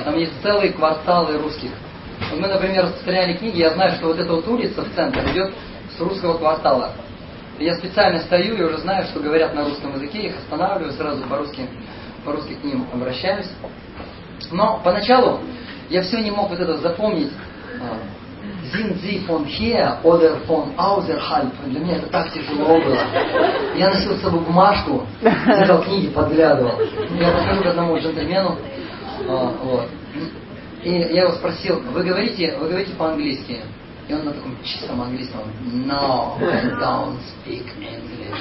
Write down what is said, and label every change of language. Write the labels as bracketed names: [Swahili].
[Russian] Там есть целые кварталы русских. Вот мы, например, распространяли книги. Я знаю, что вот эта вот улица в центре идет с русского квартала. Я специально стою и уже знаю, что говорят на русском языке. Я их останавливаю сразу по-русски к ним обращаюсь. Но поначалу я все не мог вот это запомнить. [German] Sind Sie von hier oder von außerhalb? [Russian] Для меня это так тяжело было. Я носил с собой бумажку, читал книги, подглядывал. Я подхожу к одному джентльмену. Вот. И я его спросил, вы говорите по-английски? И он на таком чистом английском, [English] no, I don't speak English.